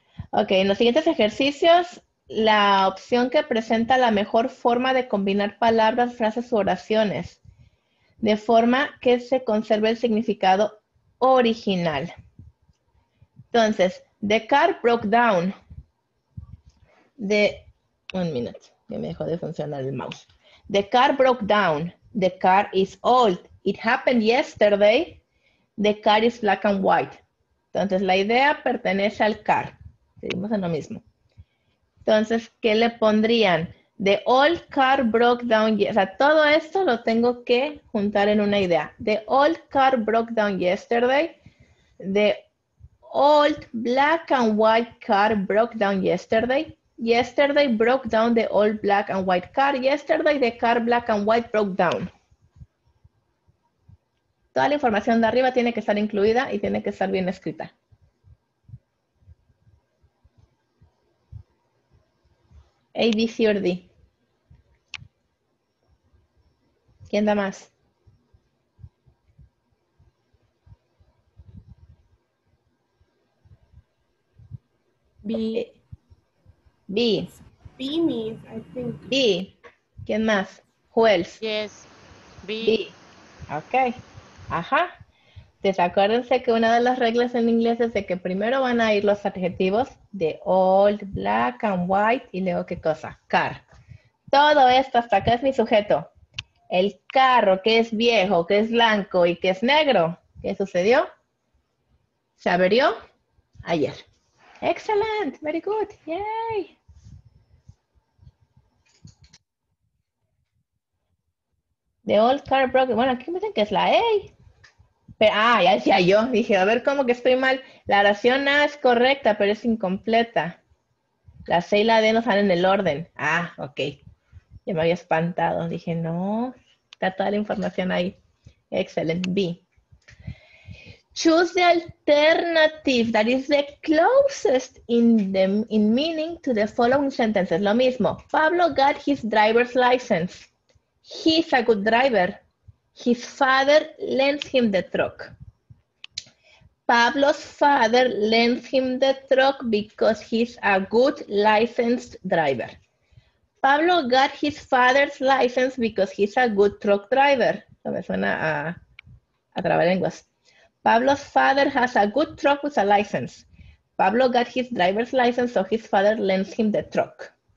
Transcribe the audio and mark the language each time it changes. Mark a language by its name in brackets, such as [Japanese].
[Spanish] Ok, en los siguientes ejercicios, la opción que presenta la mejor forma de combinar palabras, frases u oraciones, de forma que se conserve el significado original. [English] Entonces, the car broke down. [Spanish] Un minuto, ya me dejó de funcionar el mouse. [English] The car broke down. The car is old. It happened yesterday. The car is black and white. [Spanish] Entonces, la idea pertenece al car. Seguimos en lo mismo. Entonces, ¿qué le pondrían? [English] The old car broke down. [Spanish] O sea, todo esto lo tengo que juntar en una idea. [English] The old car broke down yesterday. The old black and white car broke down yesterday. Yesterday broke down the old black and white car. Yesterday the car black and white broke down. [Spanish] Toda la información de arriba tiene que estar incluida y tiene que estar bien escrita. [English] A, B, C, or D. [Spanish] ¿Quién da más? B. B. [English] B means, I think. B. [Spanish] ¿Quién más? [English] Who else? Yes. B. B. Ok. Ajá. [Spanish] Entonces, acuérdense que una de las reglas en inglés es de que primero van a ir los adjetivos de [English] old, black and white [Spanish] y luego, ¿qué cosa? Car. Todo esto hasta acá es mi sujeto. El carro que es viejo, que es blanco y que es negro. ¿Qué sucedió? Se averió ayer. [English] Excellent, very good, yay. The old car broke. [Spanish] Bueno, aquí me dicen que es la A. Pero, ya decía yo. Dije, a ver, ¿cómo que estoy mal? La oración A es correcta, pero es incompleta. La C y la D no salen en el orden. Ah, ok. Ya me había espantado. Dije, no, está toda la información ahí. [English] Excellent, B. Choose the alternative that is the closest in meaning to the following sentences. [Spanish] Lo mismo. [English] Pablo got his driver's license. He's a good driver. His father lends him the truck. Pablo's father lends him the truck because he's a good licensed driver. Pablo got his father's license because he's a good truck driver. [Spanish] Eso me suena a trabalenguas. [English] Pablo's father has a good truck with a license. Pablo got his driver's license, so his father lends him the truck.